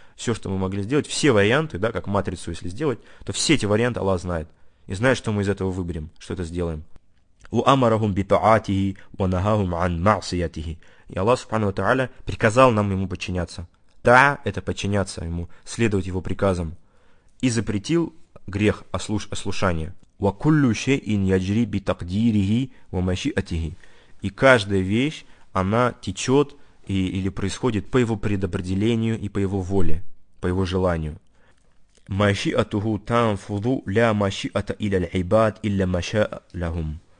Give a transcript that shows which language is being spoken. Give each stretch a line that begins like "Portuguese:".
Russian: Все, что мы могли сделать, все варианты, да, как матрицу, если сделать, то все эти варианты Аллах знает. И знает, что мы из этого выберем, что это сделаем.
Arabic: وأمرهم بطاعته ونهاهم عن معصيته.
Russian: И Аллах Субхану ва Тааля приказал нам ему подчиняться. Таа – это подчиняться ему, следовать его приказам. И запретил грех ослушания.
Arabic: وكل شيء يجري بتقديره ومشيئته.
Russian: И каждая вещь, она течет и, или происходит по его предопределению и по его воле, по его желанию.
Arabic: مشيئته تنفذ لا مشيئة إلى العباد إلا ما شاء لهم.